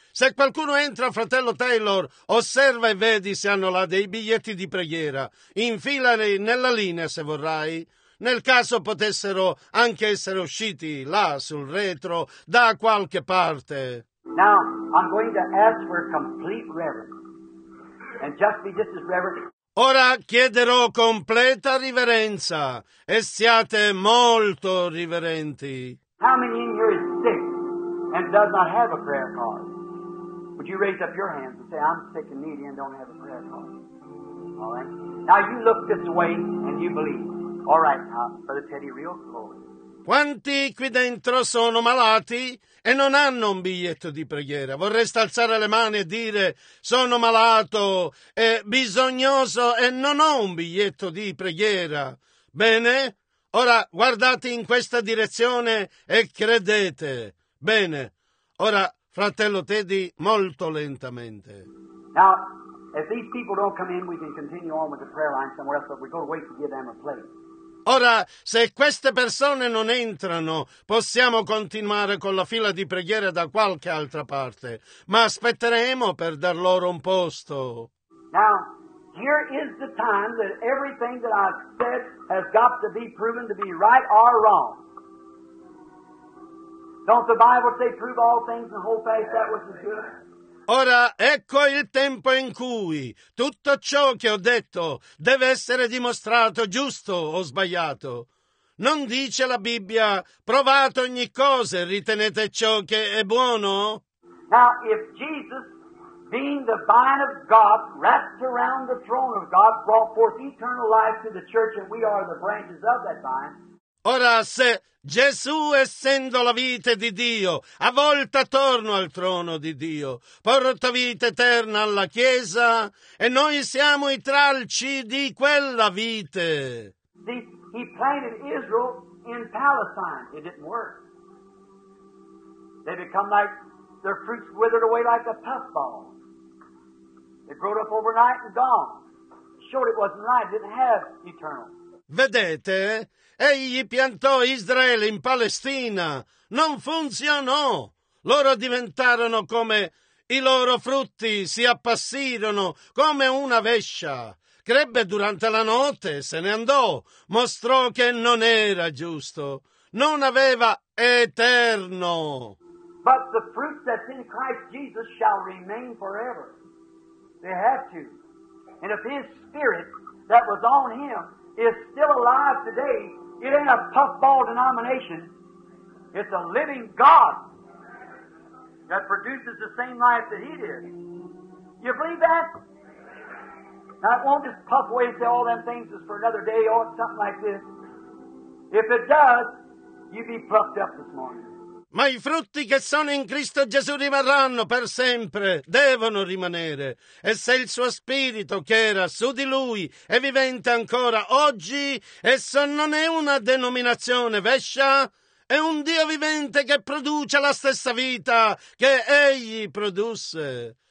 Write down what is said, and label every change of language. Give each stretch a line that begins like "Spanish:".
Italian: Se qualcuno entra, fratello Taylor, osserva e vedi se hanno là dei biglietti di preghiera. Infilali nella linea, se vorrai. Nel caso potessero anche essere usciti là sul retro, da qualche parte.
English: Now, I'm going to ask for complete reverence. And just be just as reverent.
Italian: Ora chiederò completa riverenza. E siate molto riverenti.
English: How many in here is sick and does not have a prayer card? Would you raise up your hands and say, I'm sick and needy and don't have a prayer card? All right. Now you look this way and you believe. All right, Brother Teddy, real close.
Italian: Quanti qui dentro sono malati e non hanno un biglietto di preghiera? Vorreste alzare le mani e dire sono malato, bisognoso e non ho un biglietto di preghiera. Bene, ora guardate in questa direzione e credete. Bene, ora fratello Teddy, molto lentamente.
English: Now, if these people don't come in, we can continue on with the prayer line somewhere else, but we're going to wait to give them a place.
Italian: Ora, se queste persone non entrano, possiamo continuare con la fila di preghiera da qualche altra parte, ma aspetteremo per dar loro un posto.
English: Now, here is the time that everything that I've said has got to be proven to be right or wrong. Don't the Bible say prove all things and hold fast that which is good?
Italian: Ora ecco il tempo in cui tutto ciò che ho detto deve essere dimostrato giusto o sbagliato. Non dice la Bibbia, provate ogni cosa e ritenete ciò che è buono?
English: Now, if Jesus, being the vine of God, wrapped around the throne of God, brought forth eternal life to the church, and we are the branches of that vine.
Italian: Ora, se Gesù, essendo la vite di Dio, avvolta attorno al trono di Dio, porta vita eterna alla Chiesa, e noi siamo i tralci di quella vite.
English: He planted Israel in Palestine. It didn't work. They become like, their fruits withered away like a puffball. They grew up overnight and gone. Showed it wasn't right, didn't have eternal.
Italian: Vedete? Egli piantò Israele in Palestina. Non funzionò. Loro diventarono come i loro frutti, si appassirono come una vescia. Crebbe durante la notte, se ne andò. Mostrò che non era giusto. Non aveva eterno.
English: But the fruit that's in Christ Jesus shall remain forever. They have to. And if his spirit that was on him is still alive today, it ain't a puffball denomination. It's a living God that produces the same life that he did. You believe that? Now, it won't just puff away and say all them things is for another day or something like this. If it does, you'd be puffed up this morning.
Italian: Ma i frutti che sono in Cristo Gesù rimarranno per sempre, devono rimanere. E se il suo spirito che era su di lui è vivente ancora oggi, esso non è una denominazione vescia, è un Dio vivente che produce la stessa vita che egli produsse.